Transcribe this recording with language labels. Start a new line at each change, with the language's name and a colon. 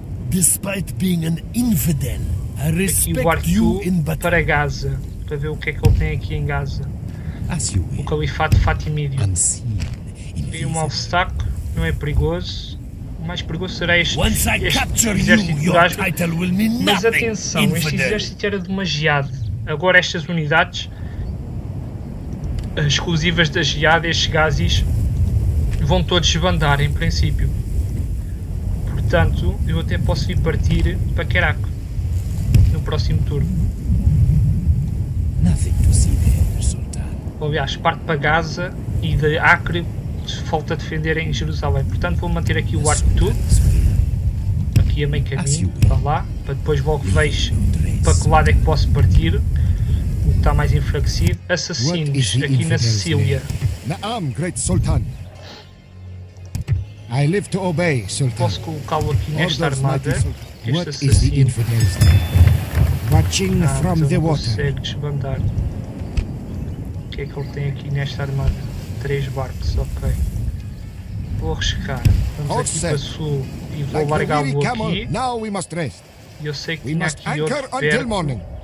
English: Despite being an infidel, I respect
Portuguese: aqui o guardo
English: but...
Portuguese: para Gaza. Para ver o que é que ele tem aqui em Gaza. O califado fatimídio. Tem um obstáculo, não é perigoso. O mais perigoso será este exército de Gaza. Mas atenção, este exército era demasiado. Agora estas unidades exclusivas da Jihad, estes gazis, vão todos desbandar em princípio. Portanto, eu até posso ir partir para Kerak no próximo turno.
English: Nothing to see there, Sultan.
Portuguese: Aliás, parte para Gaza e de Acre falta defender em Jerusalém. Portanto, vou manter aqui o arco todo. Aqui a meio caminho, para lá. Para depois logo vejo para que lado é que posso partir. Está mais enfraquecido. Assassinos aqui na Sicília.
English: Na'am, great Sultan. I live to obey, Sultan.
Portuguese: Posso colocá-lo aqui nesta armada.
English: What is the infidel watching from the water?
Portuguese: Consegue desbandar. O que é que ele tem aqui nesta armada? Três barcos, ok. Vou arriscar. Vamos aqui para sul e vou largá-lo aqui.
English: Now we must rest.
Portuguese: Eu sei que tinha aqui outro perto.